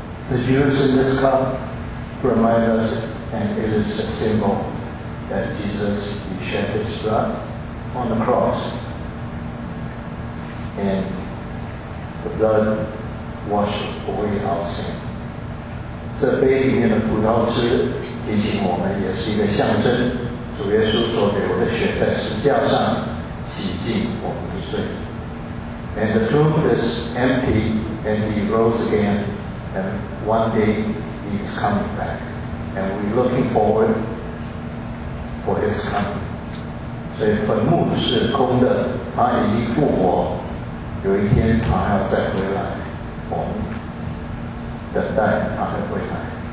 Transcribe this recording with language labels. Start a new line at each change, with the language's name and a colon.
English: The juice in this cup reminds us, and it is a symbol, that Jesus shed his blood on the cross, and the blood washed away our sin.
Chinese: 这杯里面的葡萄汁提醒我们，也是一个象征，主耶稣所流的血在十字架上洗净我们的罪。
English: And the tomb is empty and he rose again, and one day he is coming back, and we're looking forward for his coming.
Chinese: 所以坟墓是空的，他已经复活，有一天他要再回来，我们等待他的回来。